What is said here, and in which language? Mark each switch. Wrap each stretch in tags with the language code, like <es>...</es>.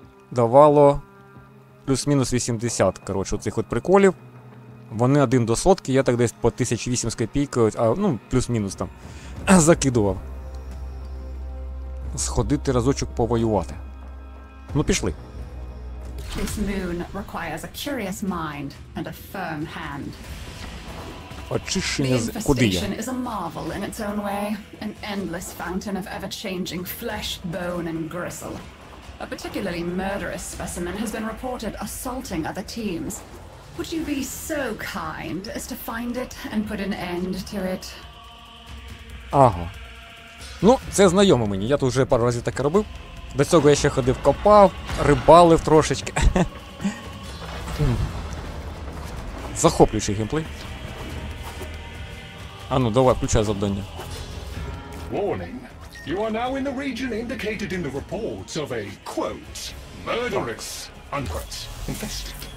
<uk>Давало плюс-мінус 80, коротше, оцих от приколів. Вони один до сотки, я так десь по 1008 з копійкою, а, ну, плюс-мінус там, закидував. Сходити разочок повоювати. Ну, пішли.</uk> <en>This moon requires a curious mind and a firm hand.</en> <uk>Очищення куди я?</uk> <en>The infestation is a marvel in its own way. An endless fountain of ever-changing flesh, bone and gristle. A particularly murderous specimen has been reported assaulting other teams. Would you be so kind as to find it and put an end to it?</en> <uk>Ага. Ну, це знайомо мені. Я тут вже пару разів таке робив. До цього я ще ходив, копав, рибалив трошечки. Захоплюючий геймплей. А ну, давай, включай завдання.</uk> <en>Warning. You are now in the region indicated in the reports of a, quote, murderous, unquote, infested.</en>